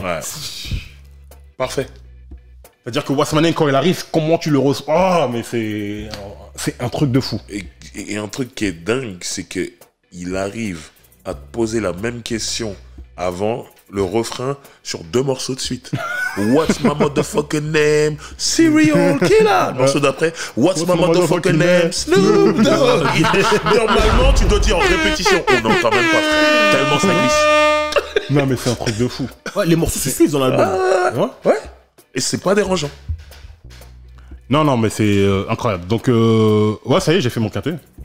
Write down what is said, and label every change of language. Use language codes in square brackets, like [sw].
[fr] Ouais. Parfait. C'est-à-dire que What's My Name, quand il arrive, comment tu le reçois? Oh, mais c'est... C'est un truc de fou. Et un truc qui est dingue, c'est que il arrive à te poser la même question avant le refrain sur deux morceaux de suite. [en] What's my motherfucking name? Serial Killer. [fr] Morceau d'après. [en] What's my motherfucking name? Snoop Dogg. [fr] Normalement, tu dois dire en répétition. Oh non, quand même pas. Tellement ça glisse. Non, mais c'est un truc de fou. Ouais, les morceaux suffisent dans l'album. Ouais. Et c'est pas dérangeant. Non, mais c'est incroyable. Donc, ouais, ça y est, j'ai fait mon quintet.